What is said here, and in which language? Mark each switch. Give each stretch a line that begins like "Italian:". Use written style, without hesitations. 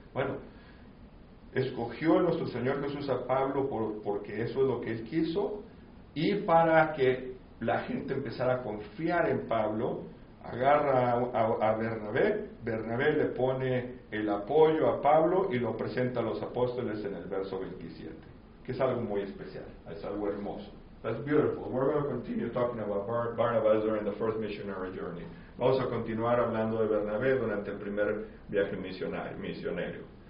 Spanish: Bueno, escogió a nuestro Señor Jesús a Pablo porque eso es lo que Él quiso, y para que la gente empezara a confiar en Pablo, agarra a Bernabé. Bernabé le pone el apoyo a Pablo y lo presenta a los apóstoles en el verso 27. Que es algo muy especial, es algo hermoso.
English: That's beautiful. We're going to continue talking about Barnabas during the first missionary journey.
Spanish: Vamos a continuar hablando de Bernabé durante el primer viaje misionero.